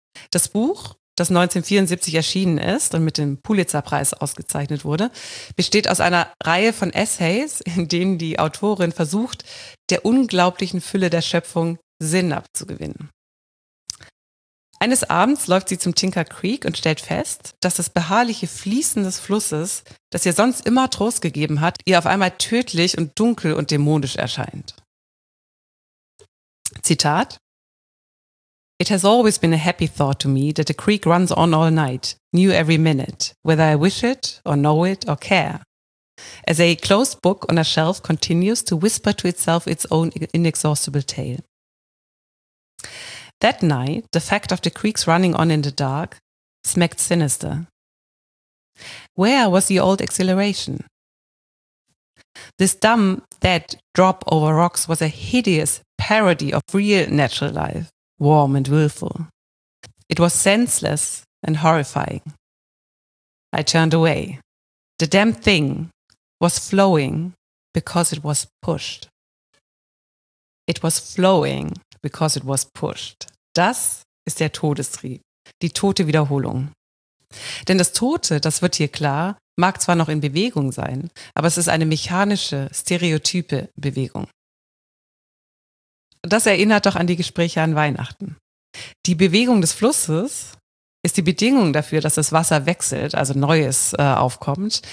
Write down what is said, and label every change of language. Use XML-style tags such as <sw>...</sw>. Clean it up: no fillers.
<de>Das Buch, das 1974 erschienen ist und mit dem Pulitzer-Preis ausgezeichnet wurde, besteht aus einer Reihe von Essays, in denen die Autorin versucht, der unglaublichen Fülle der Schöpfung Sinn abzugewinnen. Eines Abends läuft sie zum Tinker Creek und stellt fest, dass das beharrliche Fließen des Flusses, das ihr sonst immer Trost gegeben hat, ihr auf einmal tödlich und dunkel und dämonisch erscheint.</de> <en>Zitat: It has always been a happy thought to me that the creek runs on all night, new every minute, whether I wish it or know it or care. As a closed book on a shelf continues to whisper to itself its own inexhaustible tale. That night, the fact of the creek's running on in the dark smacked sinister. Where was the old exhilaration? This dumb, dead drop over rocks was a hideous parody of real natural life, warm and willful. It was senseless and horrifying. I turned away. The damn thing was flowing because it was pushed. It was flowing because it was pushed.</en> <de>Das ist der Todestrieb, die tote Wiederholung. Denn das Tote, das wird hier klar, mag zwar noch in Bewegung sein, aber es ist eine mechanische, stereotype Bewegung. Das erinnert doch an die Gespräche an Weihnachten. Die Bewegung des Flusses ist die Bedingung dafür, dass das Wasser wechselt, also Neues aufkommt.</de>